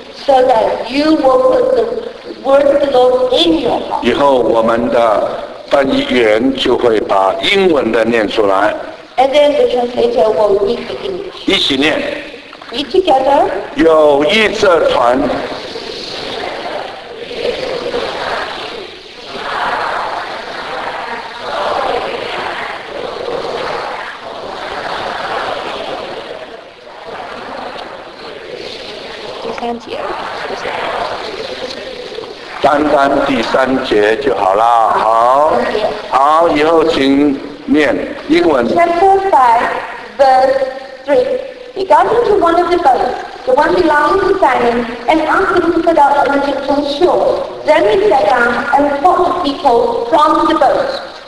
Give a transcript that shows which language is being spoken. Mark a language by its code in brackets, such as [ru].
[en] So that you will put the word of the Lord in your heart. [zh] 以后我们的翻译员就会把英文的念出来。 [en] And then the translator will read the English. [zh] 一起念。 [en] Read together. [zh] 有一只船。 [en] can't hear. [zh] 单单第三节就好了，好，好，以后请念英文。 [en] Chapter 5, verse 3. He got into one of the boats, the one belonging to Simon, and asked him to put out a little from shore. Then he sat down and taught the people from the boat.